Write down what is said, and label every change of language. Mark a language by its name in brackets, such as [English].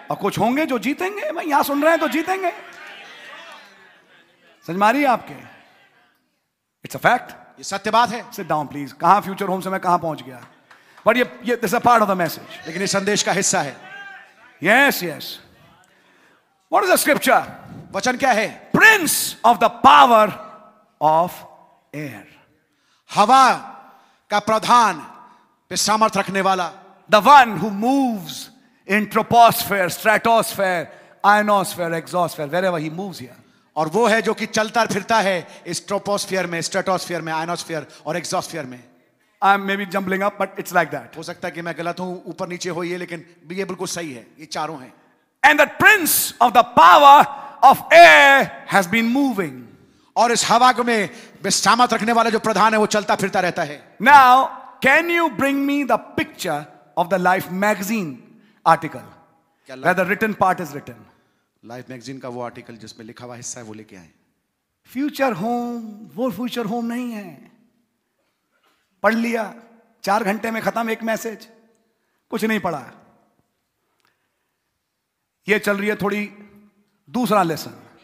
[Hindi] और कुछ होंगे जो जीतेंगे, मैं यहां सुन रहे हैं तो जीतेंगे, समझ मारी आपके? [English] it's a fact, [Hindi] ये सत्य बात है। [English] Sit down please. [Hindi] कहां फ्यूचर होम से मैं कहां पहुंच गया, [English] but ये this a part of the message, [Hindi] लेकिन ये संदेश का हिस्सा है। [English] Yes yes. What is the scripture? [Hindi] वचन क्या है? [English] Prince of the power of air. [Hindi] हवा का प्रधान पे सामर्थ रखने वाला. [English] The one who moves in troposphere, stratosphere, ionosphere, exosphere, wherever he moves here. [Hindi] और वो है जो कि चलता फिरता है इस ट्रोपोस्फियर में, स्ट्रेटोस्फियर में, आयनोस्फियर और एग्जोस्फियर में. [English] I'm maybe jumbling up, but it's like that. [Hindi] हो सकता है कि मैं गलत हूं, ऊपर नीचे हो ये, लेकिन ये बिल्कुल सही है, ये चारों हैं. [English] And the prince of the power of air has been moving. [Hindi] और इस हवा को में विश्रामत रखने वाला जो प्रधान है वो चलता फिरता रहता है. [English] Now, can you bring me the picture of the Life magazine article? [Hindi] क्या लाग? [English] Where the written part is written. [Hindi] Life magazine का वो आर्टिकल जिसमें लिखा हुआ हिस्सा है वो लेके आए. फ्यूचर होम वो फ्यूचर होम नहीं है. पढ़ लिया चार घंटे में खत्म एक मैसेज, कुछ नहीं पढ़ा. ये चल रही है थोड़ी दूसरा लेसन.